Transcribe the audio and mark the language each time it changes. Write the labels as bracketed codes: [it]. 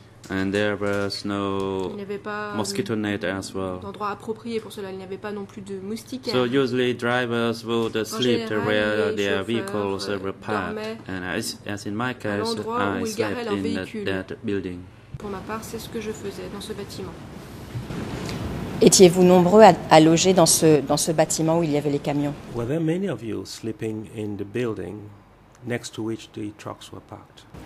[en] And there was no mosquito net as well. [fr] D'endroit approprié pour cela, il n'y avait pas non plus de moustiquaires. [en] So usually drivers would sleep where their vehicles were parked. And as in my case, I slept in that building. [fr] Pour ma part, c'est ce que je faisais dans ce bâtiment. Étiez-vous nombreux à loger dans ce bâtiment où il y avait les camions? [en] Were there many of you sleeping in the building next to which the trucks were parked?